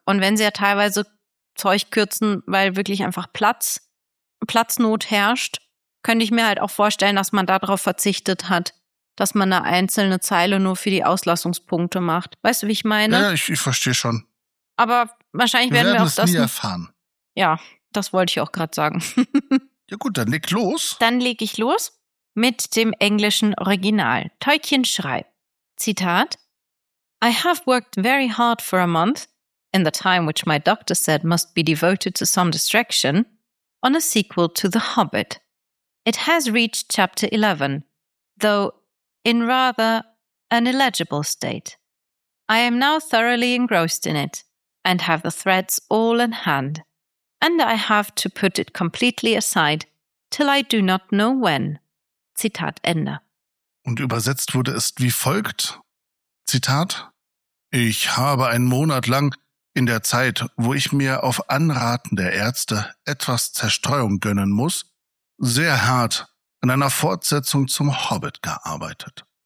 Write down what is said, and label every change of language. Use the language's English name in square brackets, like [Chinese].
[German] Und wenn sie ja teilweise Zeug kürzen, weil wirklich einfach Platznot herrscht, könnte ich mir halt auch vorstellen, dass man darauf verzichtet hat, dass man eine einzelne Zeile nur für die Auslassungspunkte macht. Weißt du, wie ich meine? Ja, ich verstehe schon. Aber wahrscheinlich werden wir auch das nie erfahren. Ja, das wollte ich auch gerade sagen. Ja gut, dann leg los. Dann lege ich los mit dem englischen Original. Tolkien schreibt, Zitat, [English] I have worked very hard for a month, in the time which my doctor said must be devoted to some distraction, on a sequel to The Hobbit. It has reached chapter 11, though in rather an illegible state. I am now thoroughly engrossed in it, and have the threads all in hand, and I have to put it completely aside, till I do not know when. [German] Zitat Ende. Und übersetzt wurde es wie folgt, Zitat, ich habe einen Monat lang in der Zeit, wo ich mir auf Anraten der Ärzte etwas Zerstreuung gönnen muss, sehr hart an einer Fortsetzung zum Hobbit gearbeitet.